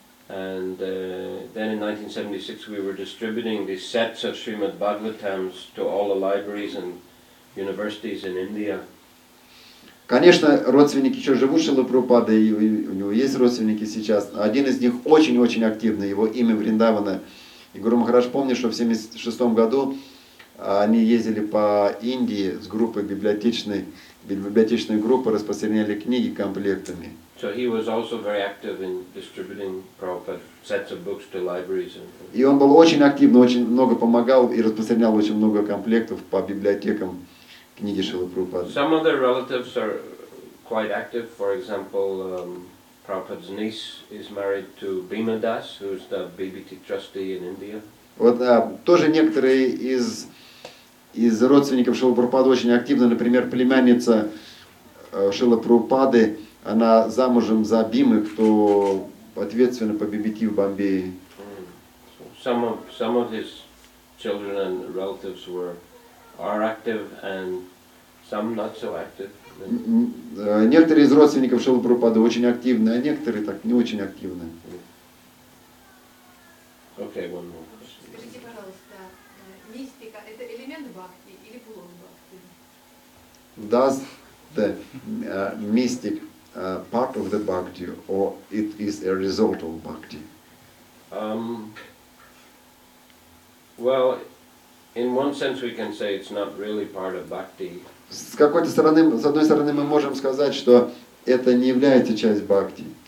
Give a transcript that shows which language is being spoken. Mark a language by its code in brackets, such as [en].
[en] And then in 1976 we were distributing these sets of Srimad Bhagavatams to all the libraries and universities in India. [ru] Конечно, родственники еще живут Шрилы Прабхупады, и у него есть родственники сейчас. Один из них очень активный, его имя Вриндавана. И Гуру Махарадж помнит, что в 1976 году они ездили по Индии с группой библиотечной группы, распространяли книги комплектами. [en] So he was also very active in distributing Prabhupada sets of books to libraries. [ru] И он был очень активен, очень много помогал и распространял очень много комплектов по библиотекам книги Шрилы Прабхупады. [en] Some of their relatives are quite active. For example, Prabhupada's niece is married to Bhima Das, who's the BBT trustee in India. [ru] Вот тоже некоторые из родственников Шрилы Прабхупады очень активны. Например, племянница Шрилы Прабхупады, она замужем за Бимой, кто ответственен по BBT в Бомбее. [en] Some of his children and relatives are active, and Some not so active. [ru] Некоторые из родственников Шрилы Прабхупады очень активны, а некоторые так не очень активны. [en] Okay, one more. [ru] Скажите, пожалуйста, мистика – это элемент бхакти или пулон бхакти? [en] Does the mystic part of the bhakti or it is a result of bhakti? Well, in one sense we can say it's not really part of bhakti. [ru] С какой-то стороны, с одной стороны, мы можем сказать, что это не является частью бхакти.